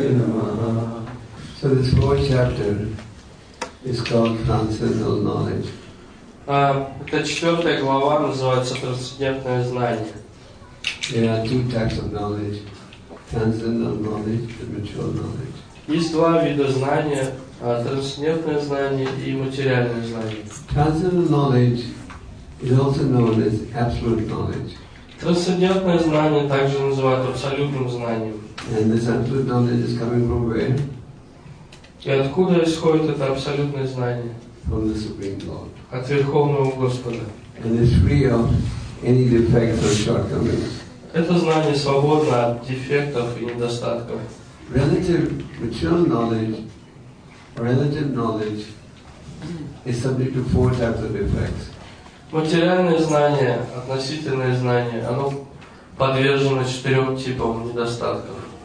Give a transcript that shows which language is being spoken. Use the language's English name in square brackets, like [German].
[English] So this fourth chapter is called Transcendental Knowledge. [Russian] Эта четвертая глава называется трансцендентное знание. [English] There are two types of knowledge: transcendental knowledge and material knowledge. [Russian] Есть два вида знания: трансцендентное знание и материальное знание. [English] Transcendental knowledge is also known as absolute knowledge. [Russian] Трансцендентное знание также называют абсолютным знанием. [English] And this absolute knowledge is coming from where? [Russian] И откуда исходит это абсолютное знание? [English] From the Supreme Lord. [Russian] От Верховного Господа. [English] And it's free of any defects or shortcomings. [Russian] Это знание свободно от дефектов и недостатков. [English] Relative material knowledge, relative knowledge, is subject to four types of defects. [Russian] Материальное знание, относительное знание, оно подвержено четырем типам недостатков.